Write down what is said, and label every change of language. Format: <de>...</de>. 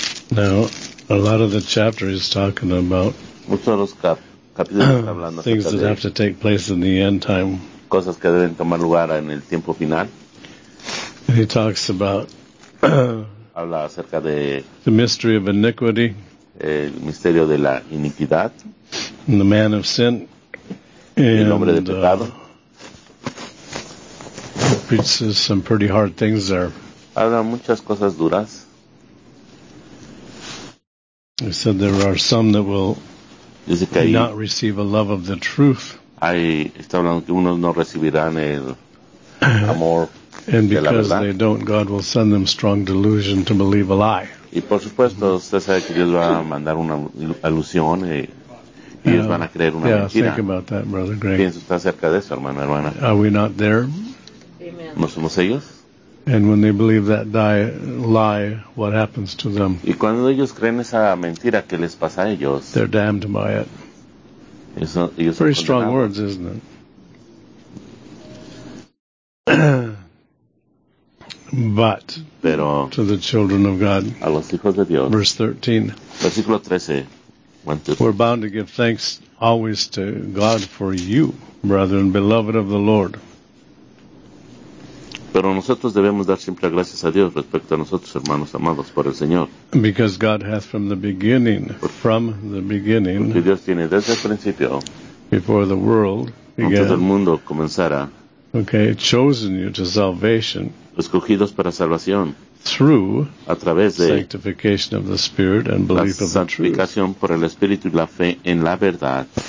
<en>Now, a lot of the chapter is talking about things that have to take place in the end time.</en> <es>Cosas que deben tomar lugar en el tiempo final.</es> <en>And he talks about</en> <es>habla acerca de</es> <en>the mystery of iniquity,</en> <es>el misterio de la iniquidad,</es> <en>and the man of sin.</en> <es>El hombre de pecado.</es> <en>Preaches some pretty hard things there.</en> <es>Habla muchas cosas duras.</es> <en>He said there are some that will not receive a love of the truth.</en> <es>Ahí está hablando que unos no recibirán el amor de la verdad.</es> <en>And because they don't, God will send them strong delusion to believe a lie.</en> <es>Y por supuesto, usted sabe que Dios va a mandar una alusión y ellos van a creer una mentira.</es> <en>Think about that, Brother Greg.</en> <es>Piensa usted acerca de eso, hermano, hermana.</es> <en>Are we not there?</en> <es>¿No somos ellos?</es> <en>And when they believe that lie, what happens to them?</en> <es>Y cuando ellos creen esa mentira, ¿qué les pasa a ellos?</es> <en>They're damned by it.</en> <es>Ellos</es> <en>pretty strong words, isn't it? But</en> <es>pero</es> <en>to the children of God,</en> <es>a los hijos de Dios,</es> <en>verse 13.</en> <es>Versículo 13.</es> <en>We're bound to give thanks always to God for you, brethren, beloved of the Lord.</en> <es>Pero nosotros debemos dar siempre gracias a Dios respecto a nosotros, hermanos amados, por el Señor.</es> <en>Because God hath from the beginning,</en> <es>porque Dios tiene desde el principio,</es> <en>before the world began,</en> <es>antes del mundo comenzara,</es> <en>okay, chosen you to salvation,</en> <es>escogidos para salvación,</es> <en>through</en> <es>a través de</es> <en>sanctification of the Spirit and belief of the truth.</en> <es>Santificación por el Espíritu y la fe en la verdad.</es>